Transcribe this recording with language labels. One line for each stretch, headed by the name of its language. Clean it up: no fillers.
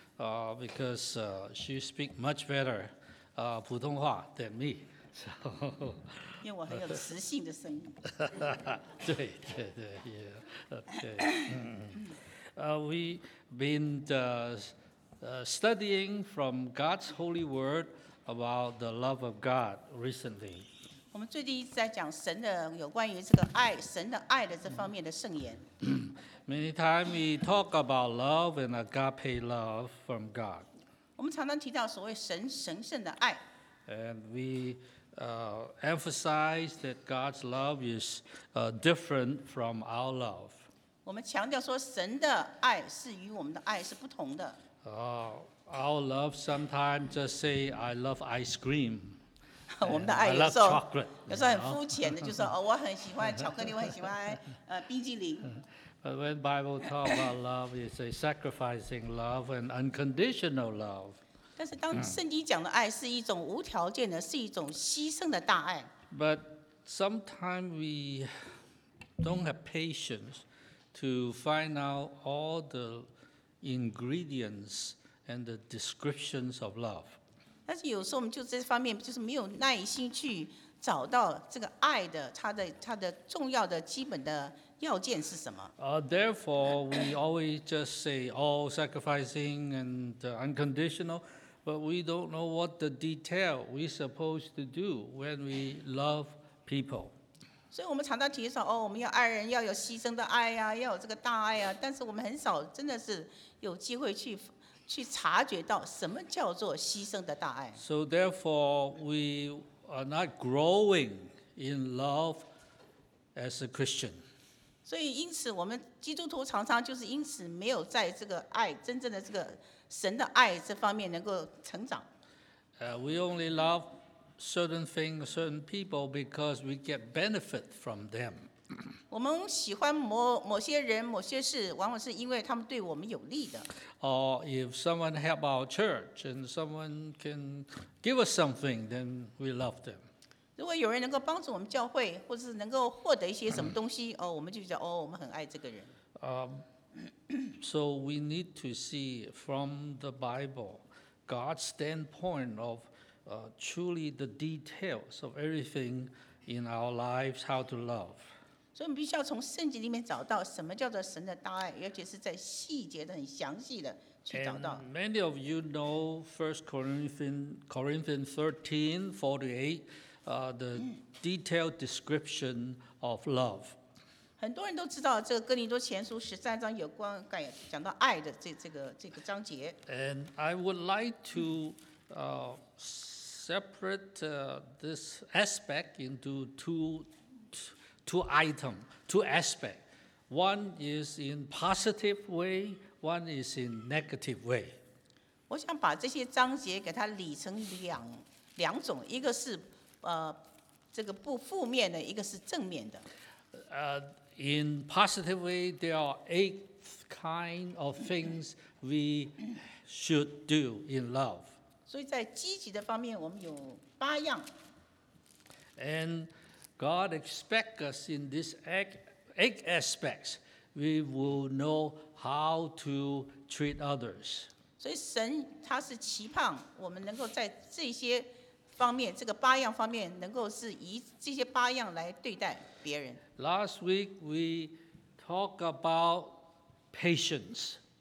English: Because she speak much better 普通话 than me. So,
Chinese: 因为我很有磁性的声音。对对对
English: yeah, okay. We've been studying from God's holy word about the love of God recently.
Chinese: 我们最近一直在讲神的有关于这个爱神的爱的这方面的圣言。
English: Many times we talk about love and agape love from God.
Chinese: 我们常常提到所谓神神圣的爱。
English: And we emphasize that God's love is different from our love.
Chinese: 我们强调说神的爱是与我们的爱是不同的。
English: Our love sometimes just say, I love ice cream.
Chinese: 我们的爱有时候很肤浅的，就说哦，我很喜欢巧克力，我很喜欢冰激凌。
English: But when the Bible talks about love, it's a sacrificing love and unconditional love.
Chinese: 但是当圣经讲的爱是一种无条件的，是一种牺牲的大爱。
English: But sometimes we don't have patience to find out all the ingredients and the descriptions of love.
Chinese: 但是有时候我们就这方面就是没有耐心去找到这个爱的它的重要的基本的。要件是什么？
English: Therefore, we always just say all sacrificing and unconditional, but we don't know what the detail we supposed to do when we love people.
Chinese: 所以我们常常提到哦，我们要爱人，要有牺牲的爱呀，要有这个大爱呀。但是我们很少真的是有机会去察觉到什么叫做牺牲的大爱。
English: So therefore, we are not growing in love as a Christian.
Chinese: 所以因此我们基督徒常常就是因此没有在这个爱真正的这个神的爱这方面能够成长。
English: We only love certain things, certain people because we get benefit from them.
Chinese: 我们喜欢某些人某些事往往是因为他们对我们有利的。
English: Or if someone help our church and someone can give us something, then we love them.
Chinese: 如果有人能够帮助我们教会，或者是能够获得一些什么东西，哦，我们就觉得哦，我们很爱这个人。
English: So we need to see from the Bible, God's standpoint of truly the details of everything in our lives, how to love.
Chinese: 所以我们必须要从圣经里面找到什么叫做神的大爱，而且是在细节的、很详细的。
English: And many of you know 1 Corinthians 13:48. The detailed description of love.
Chinese: 很多人都知道这个哥林多前书十三章有关讲到爱的这个章节。
English: And I would like to separate this aspect into two items, two aspects. One is in positive way, one is in negative way.
Chinese: 我想把这些章节给它理成两种，一个是这个不负面的，一个是正面的。
English: In positive way, there are eight kind of things we should do in love.
Chinese: 所以在积极的方面，我们有八样。
English: And God expects us in this eight aspects, we will know how to treat others.
Chinese: 所以神他是期盼我们能够在这些。方面，这个八样方面能够是以这些八样来对待别人。
English: Last week we talk about patience.